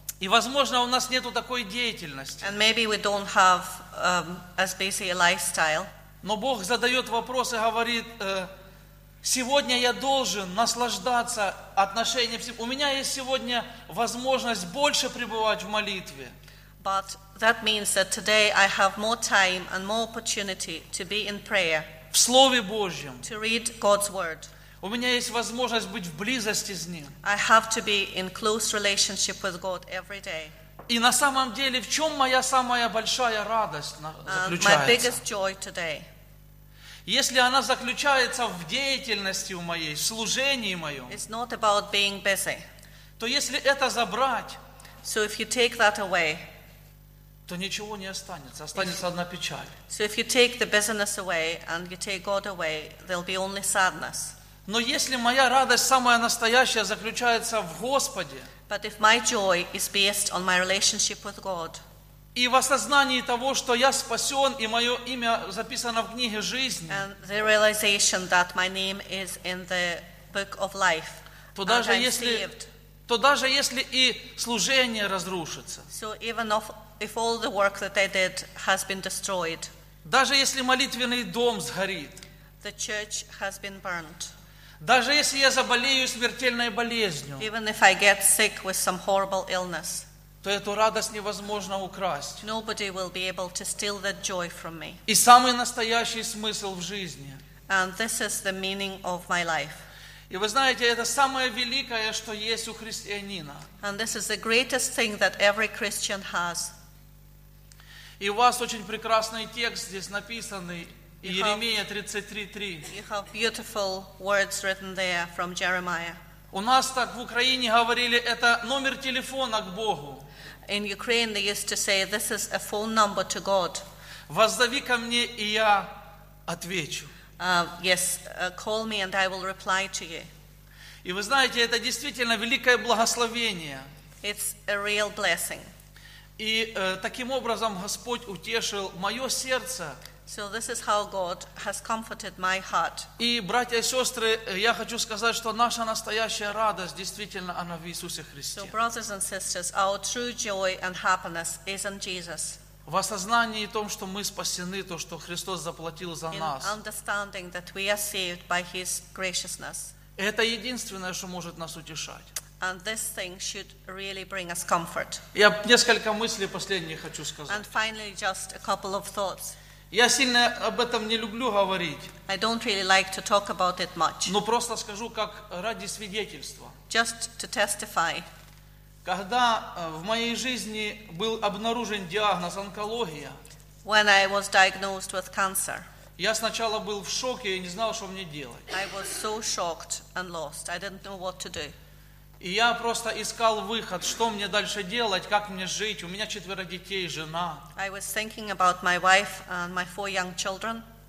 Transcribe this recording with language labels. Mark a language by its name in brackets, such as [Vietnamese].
[Russian] И, возможно, у нас нету такой деятельности. [English] And maybe we don't have as busy a lifestyle. [Russian] Но Бог задает вопрос и говорит. Сегодня я должен наслаждаться отношениями. У меня есть сегодня возможность больше пребывать в молитве. [English] But that means that today I have more time and more opportunity to be in prayer. [Russian] В Слове Божьем. [English] To read God's word. [Russian] У меня есть возможность быть в близости с Ним. [English] I have to be in close relationship with God every day. [Russian] И на самом деле, в чем моя самая большая радость заключается? [English] My biggest joy today. [Russian] Если она заключается в деятельности у моей, в служении моем, [English] it's not about being busy. [Russian] То если это забрать, [English] so if you take that away, [Russian] то ничего не останется, останется одна печаль. [English] So if you take the busyness away and you take God away, there'll be only sadness. [Russian] Но если моя радость самая настоящая заключается в Господе, [English] but if my joy is based on my relationship with God, [Russian] И в осознании того, что я спасен, и мое имя записано в книге жизни. [English] And the realization that my name is in the book of life. [Russian] То даже если, то даже если и служение разрушится. [English] So even if all the work that I did has been destroyed. [Russian] Даже если молитвенный дом сгорит. [English] The church has been burned. [Russian] Даже если я заболею смертельной болезнью. [English] Even if I get sick with some horrible illness. [Russian] То эту радость невозможно украсть. [English] Nobody will be able to steal that joy from me. [Russian] И самый настоящий смысл в жизни. [English] And this is the meaning of my life. [Russian] И вы знаете, это самое великое, что есть у христианина. [English] And this is the greatest thing that every Christian has. [Russian] И у вас очень прекрасный текст здесь написанный, Иеремия 33:3. [English] You have beautiful words written there from Jeremiah. [Russian] У нас так в Украине говорили, это номер телефона к Богу. [English] In Ukraine they used to say, this is a phone number to God. [Russian] Воззови ко мне, и я отвечу. [English] Call me and I will reply to you. [Russian] И вы знаете, это действительно великое благословение. [English] It's a real blessing. [Russian] И таким образом Господь утешил мое сердце. [English] So this is how God has comforted my heart. [Russian] И, братья и сестры, я хочу сказать, что наша настоящая радость действительно она в Иисусе Христе. [English] So brothers and sisters, our true joy and happiness is in Jesus. [Russian] В осознании том, что мы спасены, то, что Христос заплатил за нас. [English] In understanding that we are saved by His graciousness. [Russian] Это единственное, что может нас утешать. [English] And this thing should really bring us comfort. [Russian] Я несколько мыслей последних хочу сказать. [English] And finally, just a couple of thoughts. [Russian] Я сильно об этом не люблю говорить. [English] I don't really like to talk about it much. [Russian] Но просто скажу, как ради свидетельства. [English] Just to testify. [Russian] Когда в моей жизни был обнаружен диагноз онкология. [English] When I was diagnosed with cancer. [Russian] Я сначала был в шоке и не знал, что мне делать. [English] I was so shocked and lost. I didn't know what to do. [Russian] И я просто искал выход, что мне дальше делать, как мне жить. У меня четверо детей, жена. [English] I was thinking about my wife and my four young children.